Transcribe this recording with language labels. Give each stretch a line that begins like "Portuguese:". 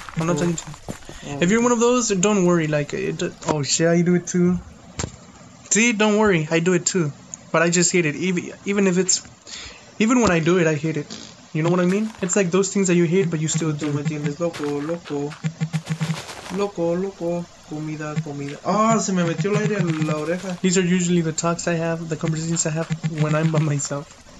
English: I'm not talking to you. If you're one of those, don't worry, like... Oh, shit, I do it too. See, don't worry, I do it too. But I just hate it. Even when I do it, I hate it. You know what I mean? It's like those things that you hate, but you still do.
Spanish: Loco, loco. Loco, loco. Comida, comida. Ah, se me metió el aire en la oreja.
English: These are usually the talks I have, the conversations I have when I'm by myself.